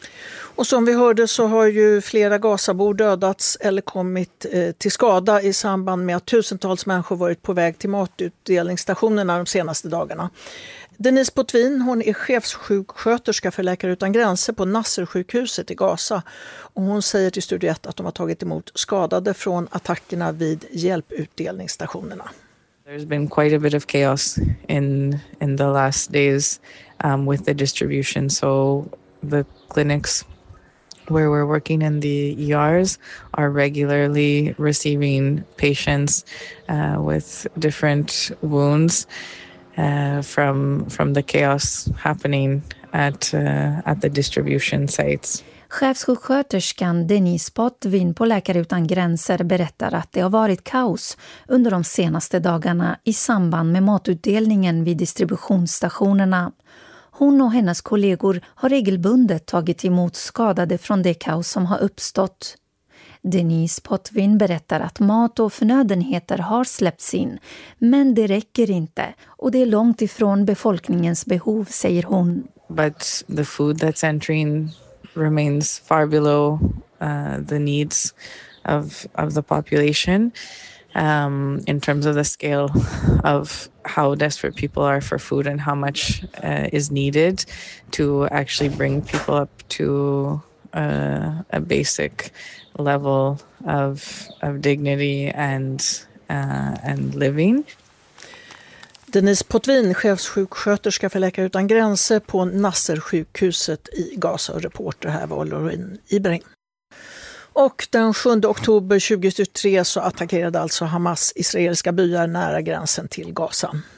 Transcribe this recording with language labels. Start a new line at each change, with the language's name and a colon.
Swedish: Och som vi hörde så har ju flera Gazabor dödats eller kommit till skada i samband med att tusentals människor varit på väg till matutdelningsstationerna de senaste dagarna. Denise Potvin, hon är chefssjuksköterska för Läkare utan gränser på Nasser-sjukhuset i Gaza. Och hon säger till Studio 1 att de har tagit emot skadade från attackerna vid hjälputdelningsstationerna.
English: There's been quite a bit of chaos in the last days with the distribution. So the clinics where we're working in the ERs are regularly receiving patients with different wounds from the chaos happening at the distribution sites.
Swedish: Chefssjuksköterskan Denise Potvin på Läkare utan gränser berättar att det har varit kaos under de senaste dagarna i samband med matutdelningen vid distributionsstationerna. Hon och hennes kollegor har regelbundet tagit emot skadade från det kaos som har uppstått. Denise Potvin berättar att mat och förnödenheter har släppts in, men det räcker inte och det är långt ifrån befolkningens behov, säger hon.
English: But the food that's entering remains far below the needs of the population in terms of the scale of how desperate people are for food and how much is needed to actually bring people up to a basic level of dignity and living.
Swedish: Denise Potvin, chefssjuksköterska för Läkare utan gränser på Nasser-sjukhuset i Gaza. Reporter här var Lorin Ibrahim. Och den 7 oktober 2023 så attackerade alltså Hamas israeliska byar nära gränsen till Gaza.